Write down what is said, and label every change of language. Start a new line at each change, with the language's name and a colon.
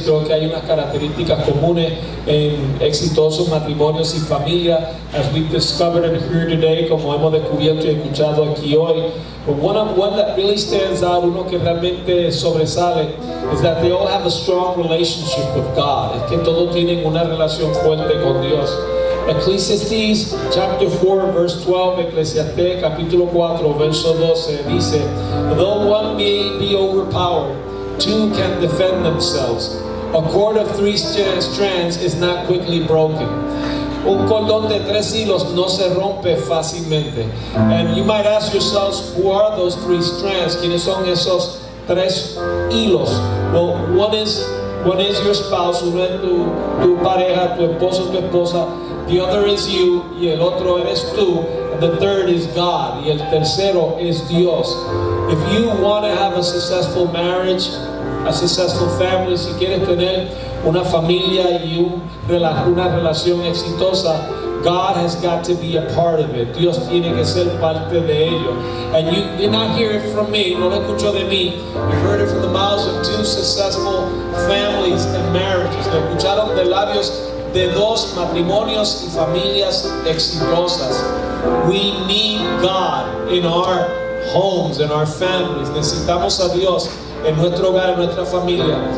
Spanish: Creo que hay unas características comunes en exitosos matrimonios y familia,
English: as we've discovered and heard today,
Spanish: como hemos descubierto y escuchado aquí hoy.
English: But one that really stands out,
Spanish: uno que realmente sobresale,
English: is that they all have a strong relationship with God.
Spanish: Es que todos tienen una relación fuerte con Dios.
English: Ecclesiastes chapter 4 verse 12,
Spanish: Ecclesiastes capítulo 4 verso 12 dice,
English: though one may be overpowered, two can defend themselves. A cord of three strands is not quickly broken.
Spanish: Un cordón de tres hilos no se rompe fácilmente.
English: And you might ask yourselves, who are those three strands?
Spanish: ¿Quiénes son esos tres hilos?
English: Well, one is your spouse,
Spanish: uno es tu pareja, tu esposo, tu esposa.
English: The other is you,
Spanish: y el otro eres tú.
English: And the third is God,
Spanish: y el tercero es Dios.
English: If you want to have a successful marriage, a successful family,
Spanish: si quieres tener una familia y una relación exitosa,
English: God has got to be a part of it.
Spanish: Dios tiene que ser parte de ello.
English: And you did not hear it from me,
Spanish: no lo escucho de mí.
English: You heard it from the mouths of two successful families and marriages.
Spanish: Lo escucharon de labios de dos matrimonios y familias exitosas.
English: We need God in our homes, in our families.
Spanish: Necesitamos a Dios en nuestro hogar, en nuestra familia.